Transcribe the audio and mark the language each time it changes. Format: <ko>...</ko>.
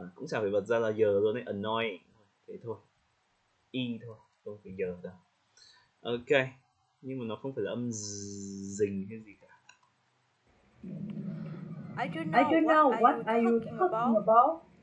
<en>The poor child had to wait for a long time.</en> <vi>E thôi, không phải giờ đâu. Ok, nhưng mà nó không phải là âm dình hay gì cả.</vi> <en>I don't know what you're talking about.</en>